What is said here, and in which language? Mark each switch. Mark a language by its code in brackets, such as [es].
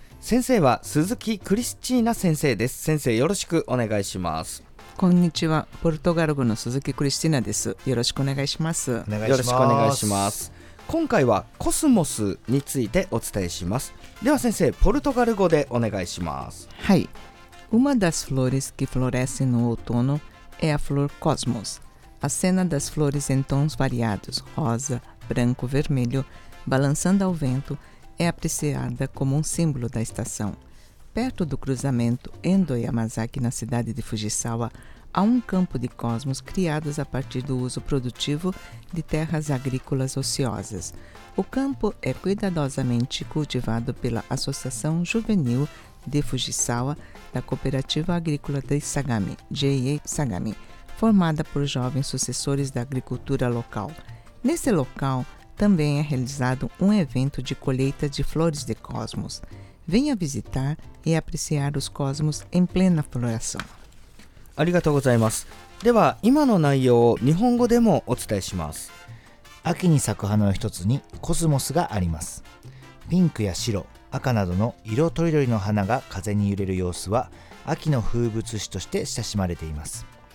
[ja] 先生は鈴木クリスチーナ先生です。先生よろしくお願いします。こんにちは、ポルトガル語の鈴木クリスチーナです。よろしくお願いします。よろしくお願いします。今回はコスモスについてお伝えします。では先生、ポルトガル語でお願いします。 [pt] はい、Uma das flores que florescem no outono é a flor cosmos. A cena das flores em tons variados, rosa, branco, vermelho, balançando ao vento, é apreciada como um símbolo da estação. Perto do cruzamento Endo e Yamazaki na cidade de Fujisawa, há um campo de cosmos criados a partir do uso produtivo de terras agrícolas ociosas. O campo é cuidadosamente cultivado pela Associação Juvenil de Fujisawa, da Cooperativa Agrícola de Sagami, J.A. Sagami, formada por jovens sucessores da agricultura local. Nesse local, também é realizado um evento de colheita de flores de cosmos. Venha visitar e apreciar os cosmos em plena floração. Obrigado. [ja] では、今の内容を日本語でもお伝えします。秋に咲く花の一つにコスモスがあります。ピンクや白、赤などの色とりどりの花が風に揺れる様子は秋の風物詩として親しまれています。